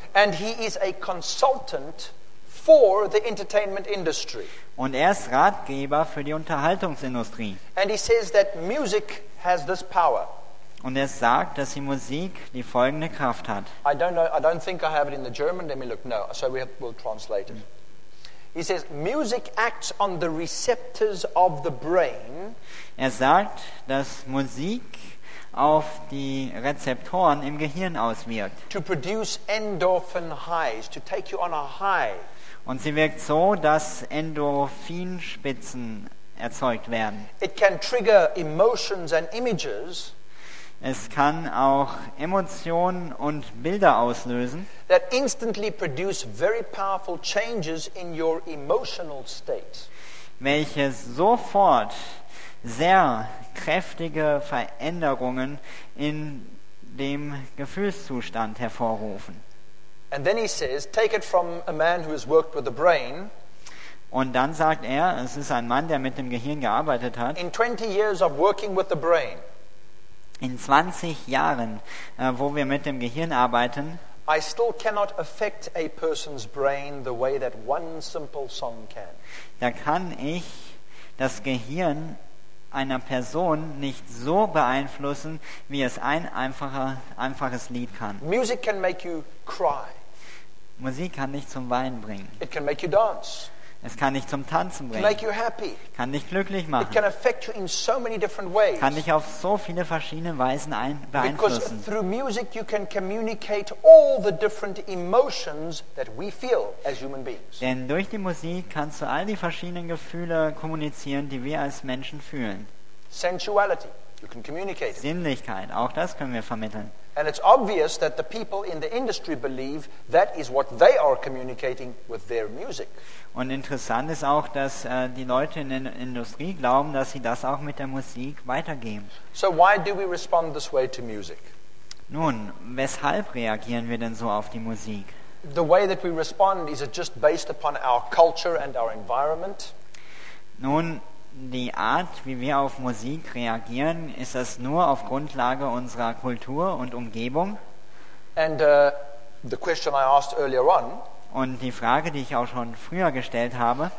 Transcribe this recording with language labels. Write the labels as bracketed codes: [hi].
[en] And he is a consultant for the entertainment industry. [de] Und er ist Ratgeber für die Unterhaltungsindustrie. [en] And he says that music has this power. [de] Und er sagt, dass die Musik die folgende Kraft hat. [en] I don't know, I don't think I have it in the German. Let me look. No, so we'll translate it. He says, music acts on the receptors of the brain. [de] Er sagt, dass Musik auf die Rezeptoren im Gehirn auswirkt. [en] To produce endorphin highs, to take you on a high. [de] Und sie wirkt so, dass Endorphinspitzen erzeugt werden. [en] It can trigger emotions and images. [de] Es kann auch Emotionen und Bilder auslösen. [en] That instantly produce very powerful changes in your emotional state. [de] Welche sofort sehr kräftige Veränderungen in dem Gefühlszustand hervorrufen. [en] And then he says, take it from a man who has worked with the brain. [de] Und dann sagt er, es ist ein Mann, der mit dem Gehirn gearbeitet hat. [en] In 20 years of working with the brain. [de] In 20 Jahren, wo wir mit dem Gehirn arbeiten, [en] I still cannot affect a person's brain the way that one simple song can. [de] Da kann ich das Gehirn einer Person nicht so beeinflussen, wie es ein einfaches Lied kann. [en] Music can make you cry. [de] Musik kann dich zum Weinen bringen. [en] It can make you dance. [de] Es kann dich zum Tanzen bringen. [en] Can make you happy. [de] Kann dich glücklich machen. [en] It can affect you in so many different ways. [de] Kann dich auf so viele verschiedene Weisen beeinflussen. [en] Because through music you can communicate all the different emotions that we feel as human beings. [de] Denn durch die Musik kannst du all die verschiedenen Gefühle kommunizieren, die wir als Menschen fühlen. [en] Sensuality, you can communicate it. [de] Sinnlichkeit, auch das können wir vermitteln. [en] And it's obvious that the people in the industry believe that is what they are communicating with their music. [de] Und interessant ist auch, dass die Leute in der Industrie glauben, dass sie das auch mit der Musik weitergeben. [en] So why do we respond this way to music? [de] Nun, weshalb reagieren wir denn so auf die Musik? [en] The way that we respond, is it just based upon our culture and our environment? [de] Nun, die Art, wie wir auf Musik reagieren, ist das nur auf Grundlage unserer Kultur und Umgebung? [en] And the question I asked earlier on, [de] und die Frage, die ich auch schon früher gestellt habe,